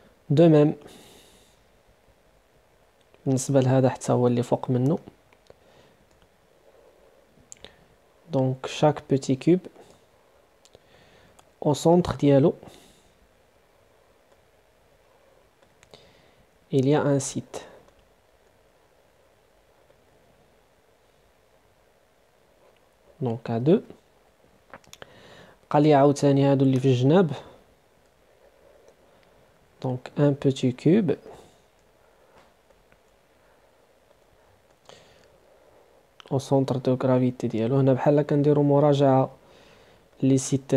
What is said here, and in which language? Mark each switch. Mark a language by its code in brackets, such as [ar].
[fr] De même, [ar] بالنسبه لهذا حتى هو اللي فوق منه. [fr] Donc chaque petit cube au centre [ar] ديالو [fr] il y a un site. Donc à deux. [ar] قال لي عاوتاني هادو اللي في الجناب. [fr] Donc un petit cube au centre de gravité. Alors on a les sites.